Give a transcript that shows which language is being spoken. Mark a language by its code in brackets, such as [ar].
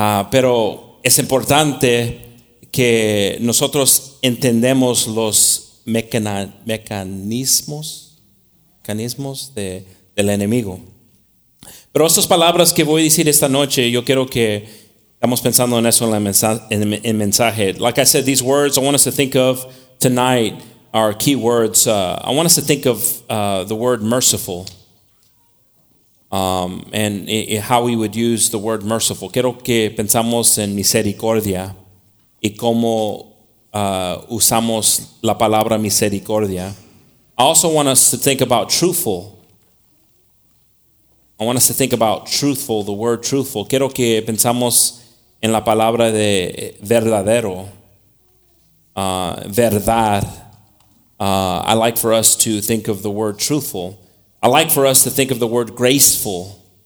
[es] Pero es importante que nosotros entendemos los mecanismos de el enemigo. Pero estas palabras que voy a decir esta noche, yo quiero que estamos pensando en eso en el mensaje. [en] Like I said, these words I want us to think of tonight are key words. I want us to think of the word merciful and how we would use the word merciful. [es] Quiero que pensamos en misericordia y cómo usamos la palabra misericordia. [en] I also want us to think about truthful. I want us to think about truthful, the word truthful. [es] Quiero que pensamos en la palabra de verdadero, verdad. [en] I like for us to think of the word truthful. I like for us to think of the word graceful.